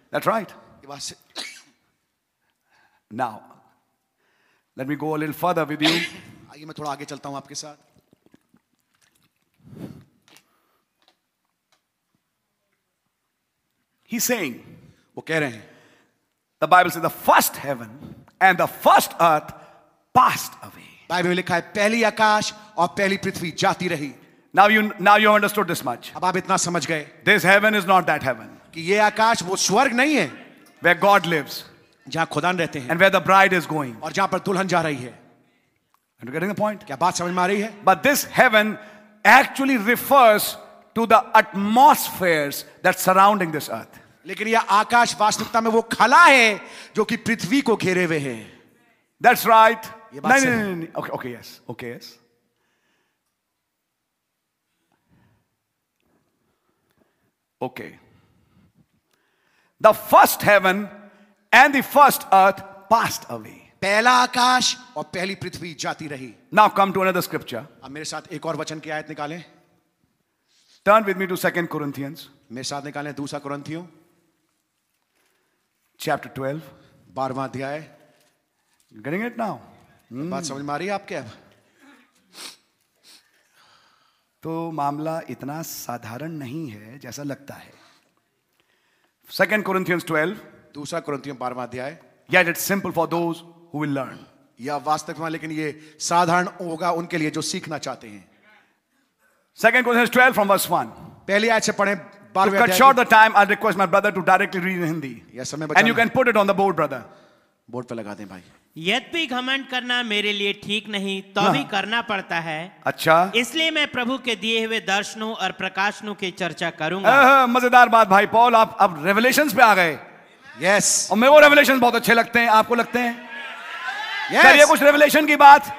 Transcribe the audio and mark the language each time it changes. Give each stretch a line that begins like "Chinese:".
English: That's right. Now, let me go a little further with you.
Hindi: आइए मैं थोड़ा आगे चलता हूं आपके साथ.
English: He's saying,
Hindi: वो कह रहे हैं,
English: the Bible says the first heaven and the first earth passed away.
Hindi: Bible में लिखा है पहली आकाश और पहली पृथ्वी जाती रही.
English: Now you understood this much.
Hindi: अब आप इतना समझ गए.
English: This heaven is not that heaven.
Hindi: कि ये आकाश वो स्वर्ग नहीं है.
English: Where God lives.
Hindi: जहां खुदान रहते हैं.
English: And where the bride is going.
Hindi: और जहां पर दुल्हन जा रही है.
English: Are you getting the point?
Hindi: क्या बात समझ में आ रही है?
English: But this heaven actually refers to the atmospheres that surrounding this earth.
Hindi: लेकिन यह आकाश वास्तविकता में वो खला है जो कि पृथ्वी को घेरे हुए है.
English: That's right. No. Okay, yes. Okay. The first heaven and the first earth passed away.
Hindi: पहला आकाश और पहली पृथ्वी जाती रही.
English: Now come to another scripture.
Hindi: अब मेरे साथ एक और वचन की आयत निकालें.
English: Turn with me to 2 Corinthians.
Hindi: मेरे साथ निकालें दूसरा कुरिन्थियों.
English: Chapter 12.
Hindi: बारहवां अध्याय.
English: Getting it now?
Hindi: बात समझ में आ रही है आपके? अब तो मामला इतना साधारण नहीं है जैसा लगता है.
English: 2 Corinthians 12.
Hindi: दूसरा कुरिन्थियों बारहवां अध्याय.
English: Yet it's simple for those who will learn.
Hindi: या वास्तव में लेकिन ये साधारण होगा उनके लिए जो सीखना चाहते हैं.
English: 2 Corinthians 12 from verse 1.
Hindi: पहली आयत से पढ़ें.
English: To cut short the time, I'll request my brother to directly read in Hindi. Yes, and you can put it on the board, brother.
Hindi: Board पे लगा दें भाई. यद्यपि घमंड करना मेरे लिए ठीक नहीं तो भी करना पड़ता है. अच्छा, इसलिए मैं प्रभु के दिए हुए दर्शनों और प्रकाशनों की चर्चा करूंगा. मजेदार बात भाई पॉल, आप अब रेवलेशंस पे आ गए.
English: yes,
Hindi: और मेरे को रेवलेशंस बहुत अच्छे लगते हैं. आपको लगते हैं? यस, चलिए कुछ रेवलेशन की बात.